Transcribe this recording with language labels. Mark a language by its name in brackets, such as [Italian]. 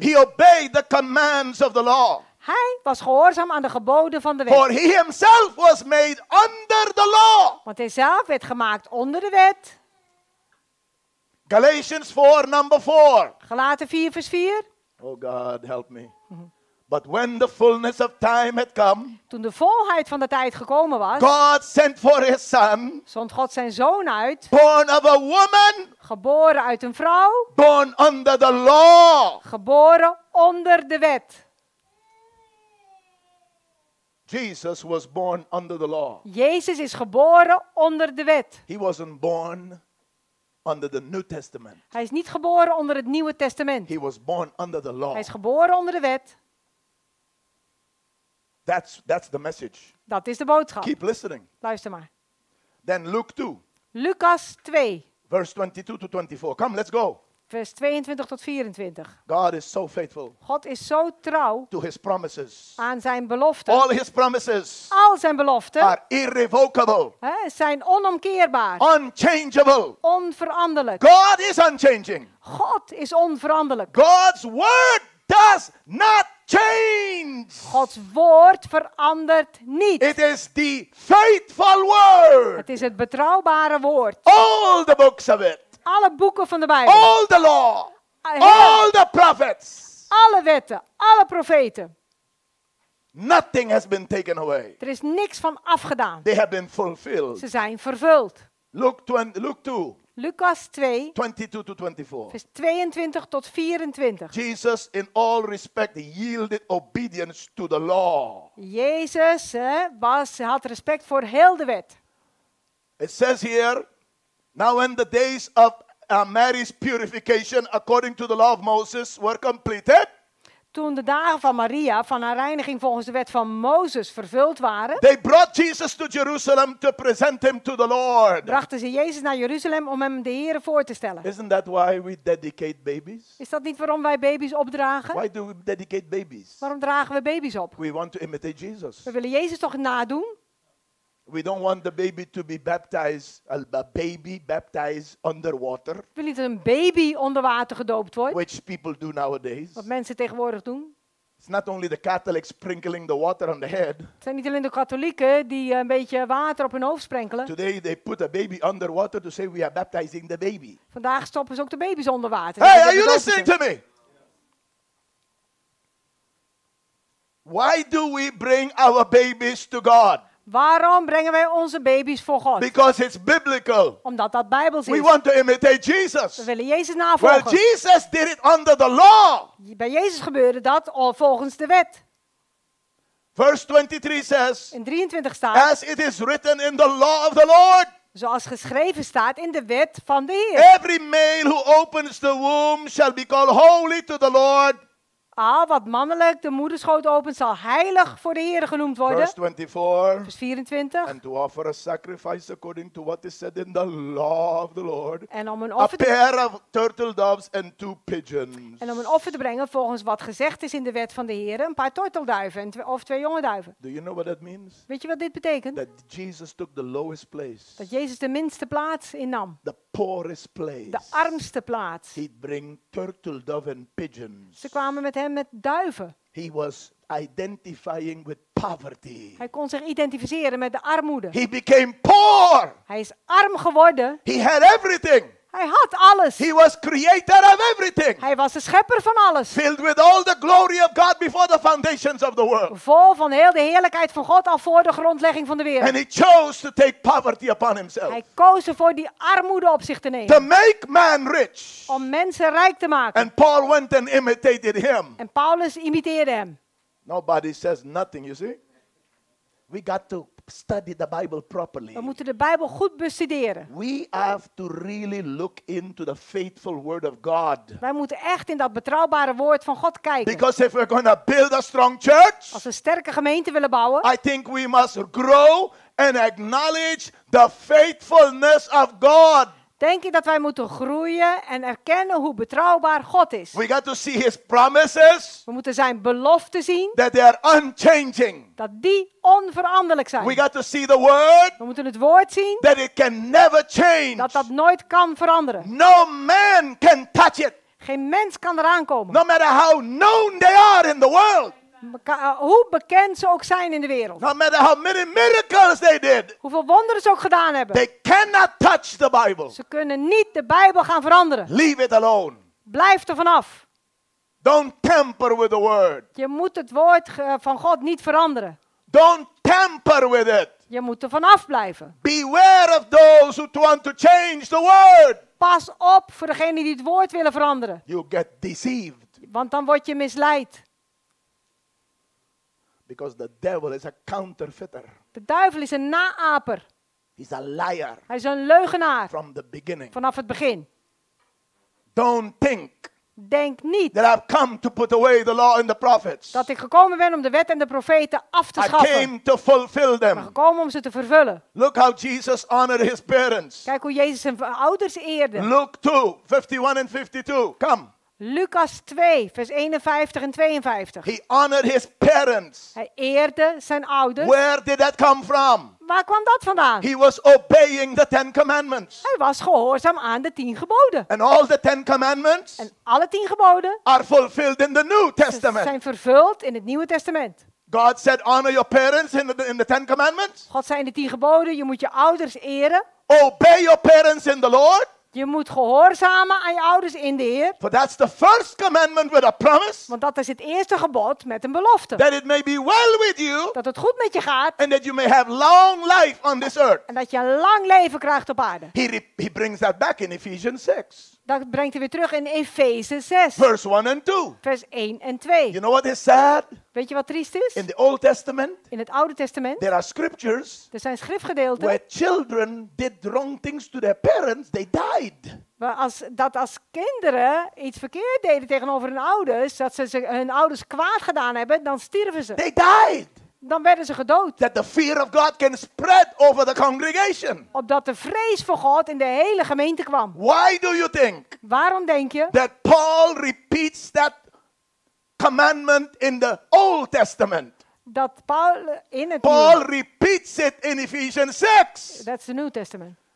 [English] He obeyed the commands of the law. [Dutch] Hij was gehoorzaam aan de geboden van de wet. [English] For he himself was made under the law. [Dutch] Want hij zelf werd gemaakt onder de wet. [English] Galatians 4, number 4. [Dutch] Galaten 4, vers 4. [English] Oh God, help me. But when the fullness of time had come. [Dutch] Toen de volheid van de tijd gekomen was. [English] God sent for his son. [Dutch] Zond God zijn zoon uit. [English] Born of a woman. [Dutch] Geboren uit een vrouw. [English] Born under the law. [Dutch] Geboren onder de wet. [English] Jesus was born under the law. [Dutch] Jezus is geboren onder de wet. [English] He wasn't born under the New Testament. [Dutch] Hij is niet geboren onder het Nieuwe Testament. [English] He was born under the law. [Dutch] Hij is geboren onder de wet. [English] That's the message. [Dutch] Dat is de boodschap. [English] Keep listening. [Dutch] Luister maar. [English] Then Luke 2. [Dutch] Lucas 2. [English] Verse 22 to 24. Come, let's go. [Dutch] Vers 22 tot 24. [English] God is so faithful. [Dutch] God is zo trouw. [English] To his promises. [Dutch] Aan zijn beloften. [English] All his promises. [Dutch] Al zijn beloften. [English] Are irrevocable. [Dutch] Hè, zijn onomkeerbaar. [English] Unchangeable. [Dutch] Onveranderlijk. [English] God is unchanging. [Dutch] God is onveranderlijk. [English] God's word does not change. [Dutch] Gods woord verandert niet. [English] It is the faithful word. [Dutch] Het is het betrouwbare woord. [English] All the books of it. [Dutch] Alle boeken van de Bijbel. [English] All the law. All the prophets. [Dutch] Alle wetten. Alle profeten. [English] Nothing has been taken away. [Dutch] Er is niks van afgedaan. [English] They have been fulfilled. [Dutch] Ze zijn vervuld. [English] Luke 2. [Dutch] Lucas 2. [English] 22 to 24. [Dutch] Vers 22 tot 24. [English] Jesus in all respect yielded obedience to the law. [Dutch] Jezus had respect voor heel de wet. [English] It says here. Now when the days of Mary's purification according to the law of Moses were completed. [Dutch] Toen de dagen van Maria van haar reiniging volgens de wet van Mozes vervuld waren. [English] They brought Jesus to Jerusalem to present him to the Lord. [Dutch] Brachten ze Jezus naar Jeruzalem om hem de Heere voor te stellen. [English] Isn't that why we dedicate babies? [Dutch] Is dat niet waarom wij baby's opdragen? [English] Why do we dedicate babies? [Dutch] Waarom dragen we baby's op? [English] We want to imitate Jesus. [Dutch] We willen Jezus toch nadoen? [English] We don't want the baby to be baptized, a baby baptized under water. [Dutch] Wil niet dat een baby onder water gedoopt wordt? [English] Which people do nowadays. [Dutch] Wat mensen tegenwoordig doen. [English] It's not only the Catholics sprinkling the water on the head. [Dutch] Het zijn niet alleen de katholieken die een beetje water op hun hoofd sprenkelen. [English] Today they put a baby under water to say we are baptizing the baby. [Dutch] Vandaag stoppen ze ook de baby's onder water. [English] Hey, are you listening to me? Why do we bring our babies to God? [Dutch] Waarom brengen wij onze baby's voor God? [English] Because it's biblical. [Dutch] Omdat dat Bijbels is. [English] We want to imitate Jesus. [Dutch] We willen Jezus navolgen. [English] Well, Jesus did it under the law. [Dutch] Bij Jezus gebeurde dat volgens de wet. [English] Verse 23 says. [Dutch] In 23 staat. [English] As it is written in the law of the Lord. [Dutch] Zoals geschreven staat in de wet van de Heer. [English] Every male who opens the womb shall be called holy to the Lord. [Dutch] Al wat mannelijk de moederschoot opent, zal heilig voor de Heere genoemd worden. [English] Verse 24. [Dutch] Vers 24. [English] And to offer a sacrifice according to what is said in the law of the Lord. [Dutch] En om een offer [English] pair of turtle doves and two pigeons. [Dutch] En om een offer te brengen volgens wat gezegd is in de wet van de Heere, een paar tortelduiven of twee jonge duiven. [English] Do you know what that means? [Dutch] Weet je wat dit betekent? [English] That Jesus took the lowest place. [Dutch] Dat Jezus de minste plaats innam. [English] The poorest place. [Dutch] De armste plaats. [English] He'd bring turtle dove and pigeons. [Dutch] Ze kwamen met hem met duiven. [English] He was identifying with poverty. [Dutch] Hij kon zich identificeren met de armoede. [English] He became poor. [Dutch] Hij is arm geworden. [English] He had everything. [Dutch] Hij had alles. [English] He was creator of everything. [Dutch] Hij was de schepper van alles. [English] Filled with all the glory of God before the foundations of the world. [Dutch] Vol van heel de heerlijkheid van God al voor de grondlegging van de wereld. [English] And he chose to take poverty upon himself. [Dutch] Hij koos ervoor die armoede op zich te nemen. [English] To make man rich. [Dutch] Om mensen rijk te maken. [English] And Paul went and imitated him. [Dutch] En Paulus imiteerde hem. [English] Nobody says nothing, you see? We got to study the Bible properly. [Dutch] We moeten de Bijbel goed bestuderen. [English] We have to really look into the faithful word of God. [Dutch] Wij moeten echt in dat betrouwbare woord van God kijken. [English] Because if we're going to build a strong church, [Dutch] als we sterke gemeenten willen bouwen, [English] I think we must grow and acknowledge the faithfulness of God. [Dutch] Denk ik dat wij moeten groeien en erkennen hoe betrouwbaar God is. [English] We got to see his promises. [Dutch] We moeten zijn beloften zien. [English] That they are unchanging. [Dutch] Dat die onveranderlijk zijn. [English] We got to see the word. [Dutch] We moeten het woord zien. [English] That it can never change. [Dutch] Dat dat nooit kan veranderen. [English] No man can touch it. [Dutch] Geen mens kan eraan komen. [English] No matter how known they are in the world. [Dutch] Hoe bekend ze ook zijn in de wereld. [English] No matter how many miracles they did. [Dutch] Hoeveel wonderen ze ook gedaan hebben. [English] They cannot touch the Bible. [Dutch] Ze kunnen niet de Bijbel gaan veranderen. [English] Leave it alone. [Dutch] Blijf er vanaf. [English] Don't tamper with the word. [Dutch] Je moet het woord van God niet veranderen. [English] Don't tamper with it. [Dutch] Je moet er vanaf blijven. [English] Beware of those who want to change the word. [Dutch] Pas op voor degenen die het woord willen veranderen. [English] You get deceived. [Dutch] Want dan word je misleid. [English] Because the devil is a counterfeiter. [Dutch] De duivel is een naaper. [English] He's a liar. [Dutch] Hij is een leugenaar. [English] From the beginning. [Dutch] Vanaf het begin. [English] Don't think. [Dutch] Denk niet. [English] That I've come to put away the law and the prophets. [Dutch] Dat ik gekomen ben om de wet en de profeten af te schaffen. [English] I came to fulfill them. [Dutch] Ik ben gekomen om ze te vervullen. [English] Look how Jesus honored his parents. [Dutch] Kijk hoe Jezus zijn ouders eerde. [English] Luke 2, 51 and 52. Come. [Dutch] Lucas 2, vers 51 en 52. [English] He honored his parents. [Dutch] Hij eerde zijn ouders. [English] Where did that come from? [Dutch] Waar kwam dat vandaan? [English] He was obeying the Ten Commandments. [Dutch] Hij was gehoorzaam aan de 10 geboden. [English] And all the Ten Commandments. [Dutch] En alle 10 geboden. [English] Are fulfilled in the New Testament. [Dutch] Zijn vervuld in het Nieuwe Testament. [English] God said, honor your parents in the Ten Commandments. [Dutch] God zei in de 10 geboden, je moet je ouders eren. [English] Obey your parents in the Lord. [Dutch] Je moet gehoorzamen aan je ouders in de Heer. [English] For that's the first commandment with a promise. [Dutch] Want dat is het eerste gebod met een belofte. [English] That it may be well with you. [Dutch] Dat het goed met je gaat. [English] And that you may have long life on this earth. [Dutch] En dat je een lang leven krijgt op aarde. [English] He brings that back in Ephesians 6. [Dutch] Dat brengt hij weer terug in Efeze 6. [English] Verse 1 and 2. [Dutch] Vers 1 en 2. [English] You know what is sad? [Dutch] Weet je wat triest is? [English] In the Old Testament. [Dutch] In het Oude Testament. [English] There are scriptures. [Dutch] Er zijn schriftgedeelten. [English] Where children did wrong things to their parents, they died. [Dutch] Als kinderen iets verkeerd deden tegenover hun ouders, dat ze hun ouders kwaad gedaan hebben, dan stierven ze. [English] They died. [Dutch] Dan werden ze gedood. [English] That the fear of God can spread over the congregation. [Dutch] Opdat de vrees voor God in de hele gemeente kwam. [English] Why do you think? [Dutch] Waarom denk je? [English] That Paul repeats that commandment in the Old Testament. [Dutch] Dat Paul in het [English] Paul nieuwe. Repeats it in Ephesians 6. That's the New Testament.